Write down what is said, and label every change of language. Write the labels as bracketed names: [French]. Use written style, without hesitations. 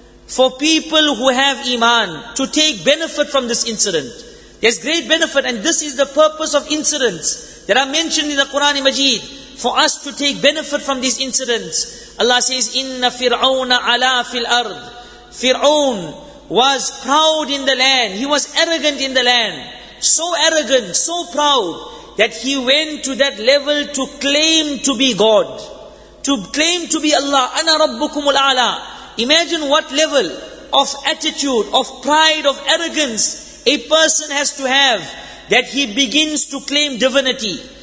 [English] For people who have iman, to take benefit from this incident. There's great benefit, and this is the purpose of incidents that are mentioned in the Quran and Majeed, for us to take benefit from these incidents. Allah says, [Arabic] إِنَّ فِرْعَوْنَ عَلَى فِي الْأَرْضِ. [English] Fir'aun was proud in the land. He was arrogant in the land. So arrogant, so proud, that he went to that level to claim to be God. To claim to be Allah. [Arabic] أَنَا رَبُّكُمُ الْأَعْلَى. [English] Imagine what level of attitude, of pride, of arrogance a person has to have that he begins to claim divinity.